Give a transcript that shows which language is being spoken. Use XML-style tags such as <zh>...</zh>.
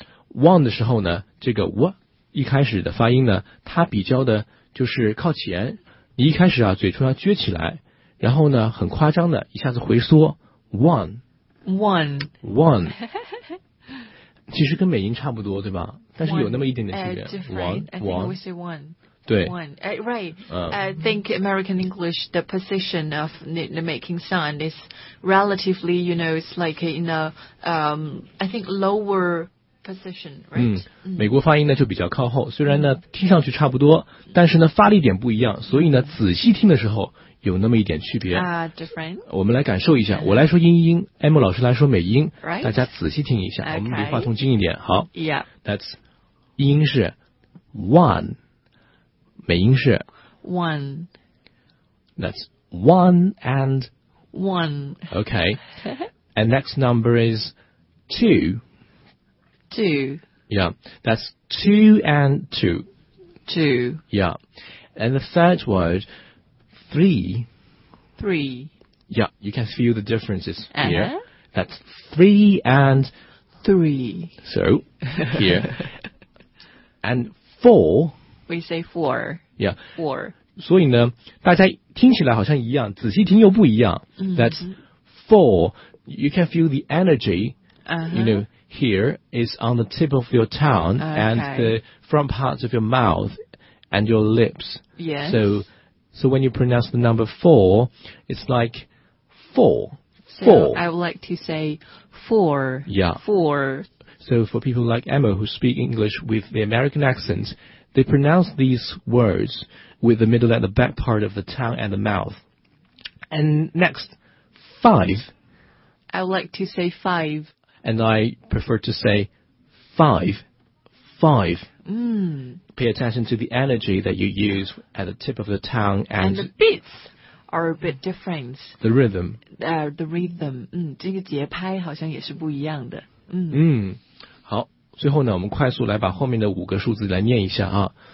<zh>One 的时候呢，这个 w 一开始的发音呢，它比较的就是靠前，你一开始啊，嘴唇要撅起来。然后呢，很夸张的，一下子回缩 ，one， 其实跟美音差不多，对吧？但是有那么一点点区别</zh> <en>，one，one，one，</en> <zh>对</zh> <en>，one，right， I think American English the position of the making sound is relatively, you know, it's like in a, I think lower position, right?</en> <zh>嗯，美国发音呢就比较靠后，虽然呢听上去差不多，但是呢发力点不一样，所以呢仔细听的时候有那么一点区别。</zh> <en>Different.</en> <zh>我们来感受一下，我来说英音，艾莫老师来说美音，</zh> <en>right?</en> <zh>大家仔细听一下，</zh> <en>okay.</en> <zh>我们离话筒近一点，好。</zh> <en>Yeah. That's</en> <zh>英音是 one， 美音是</zh> <en>one。 That's one and one. Okay. And next number is two. Two. Yeah. That's two and two. Two. Yeah. And the third word, three. Three. Yeah. You can feel the differences uh-huh. here. That's three and three. So here. And four. We say four. Yeah. Four.</en> <zh>所以呢大家听起来好像一样，仔细听又不一样。 Mm-hmm.</zh> <en>That's four. You can feel the energy,、 uh-huh. you know, here is on the tip of your tongue、 okay. and the front parts of your mouth and your lips. Yes. So when you pronounce the number four, it's like four. So four. I would like to say four. Yeah. Four. So for people like Emma who speak English with the American accent,They pronounce these words with the middle and the back part of the tongue and the mouth. And next, five. I would like to say five. And I prefer to say five. Five. Mm. Pay attention to the energy that you use at the tip of the tongue. And the beats are a bit different. The rhythm. The rhythm.</en> <zh>这个节拍好像也是不一样的。好。最后呢我们快速来把后面的五个数字来念一下啊。</zh>